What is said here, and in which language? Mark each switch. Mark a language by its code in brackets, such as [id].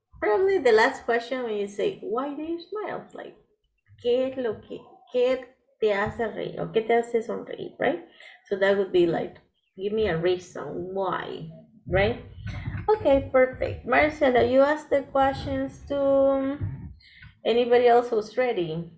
[en] Probably the last question when you say, why do you smile? [es] Like, ¿qué es lo que, qué te hace reír? ¿O qué te hace sonreír? Right? [en] So that would be like, give me a reason why, right? Okay, perfect. Marcela, you asked the questions to anybody else who's ready.